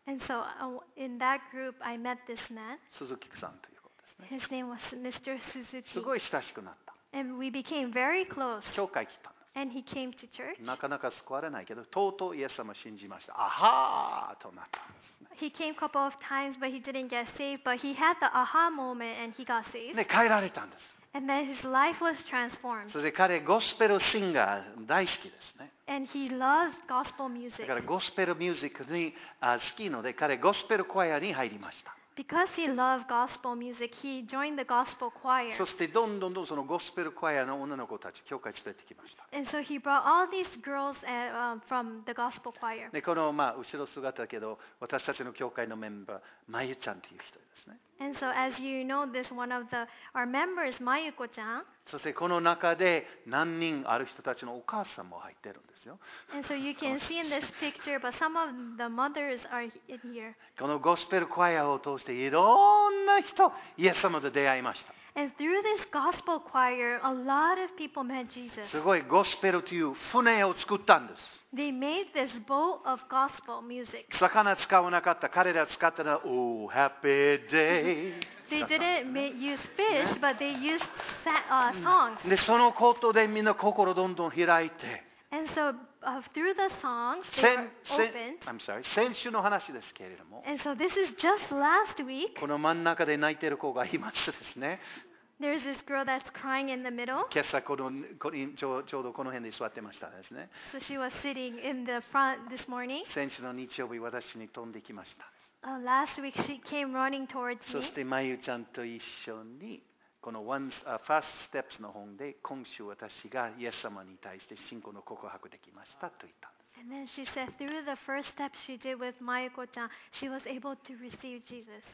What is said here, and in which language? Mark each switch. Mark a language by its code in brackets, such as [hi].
[en] And so, in that group, I met this man. [ja] 鈴木さんということですね。 [en] His name was Mr. Suzuki. [ja] すごい親しくなった。 [en] And we became very close. [ja] 教会来たんです。 [en] And he came to church. [ja] なかなか救われないけど、とうとうイエス様を信じました。アハーとなったんです。 [en] He came a couple of times, but he didn't get saved. But he had the aha moment, and he got saved. [ja] で、変えられたんです。 [en] And then his life was transformed. [ja] それで彼ゴスペルシンガー大好きですね。 [en] And he loves gospel music. [ja] だからゴスペルミュージックに好きので彼ゴスペルコアに入りました。 [en] Because he loved gospel music, he joined the gospel choir. [ja] そしてどんどんどんそのゴスペルコアの女の子たち教会連れてきました。 [en] And so he brought all these girls from the gospel choir. [ja] でこのまあ後ろ姿だけど私たちの教会のメンバーまゆちゃんという人ですね。 [en] And so as you know, this one of the our members, Mayuko-chan. [ja] そしてこの中で何人ある人たちのお母さんも入ってるんですよ。 [en] And so you can see in this picture, but some of the mothers are in here. [ja] このゴスペルクワイアを通していろんな人、イエス様と出会いました。 [en] And through this gospel choir, a lot of people met Jesus. [ja] すごいゴスペルという船を作ったんです。 [en] They made this boat of gospel music. [ja] 魚使わなかった。彼ら使ったのは、 [en] Oh, happy day. They didn't use fish, but they used songs. [ja] で、そのことでみんな心どんどん開いて。 [en] And so, through the songs, they were opened. I'm sorry. [ja] 先週の話ですけれども。 [en] And so this is just last week. [ja] この真ん中で泣いてる子がいますですね。 [en] There's this girl that's crying in the middle. [ja] 今朝このこのちょうどこの辺で座ってましたですね。 [en] So she was sitting in the front this morning. [ja] 先週の日曜日私に飛んできました。 [en] Last week she came running towards me. [ja] そしてまゆちゃんと一緒にこの First Steps の本で今週私がイエス様に対して信仰の告白できましたと言ったんです。 [en] And then she said through the first step she did with Mayuko-chan, she was able to receive Jesus.